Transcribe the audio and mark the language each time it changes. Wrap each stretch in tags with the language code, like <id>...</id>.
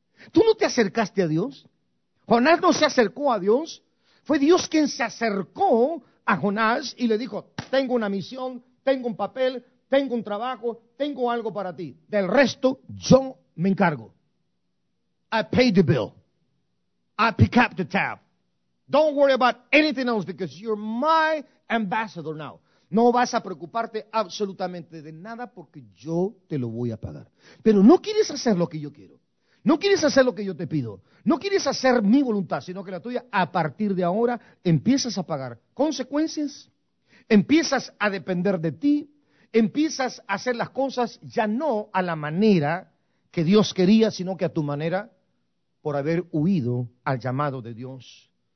<es>Tú no te acercaste a Dios, Jonás no se acercó a Dios, fue Dios quien se acercó a Jonás y le dijo, tengo una misión, tengo un papel, tengo un trabajo, tengo algo para ti, del resto yo me encargo.</es> <en>I pay the bill. I pick up the tab. Don't worry about anything else because you're my ambassador now.</en> <es>No vas a preocuparte absolutamente de nada porque yo te lo voy a pagar. Pero no quieres hacer lo que yo quiero. No quieres hacer lo que yo te pido. No quieres hacer mi voluntad, sino que la tuya. A partir de ahora empiezas a pagar consecuencias. Empiezas a depender de ti. Empiezas a hacer las cosas ya no a la manera que Dios quería, sino que a tu manera, por haber huido al llamado de Dios.</es>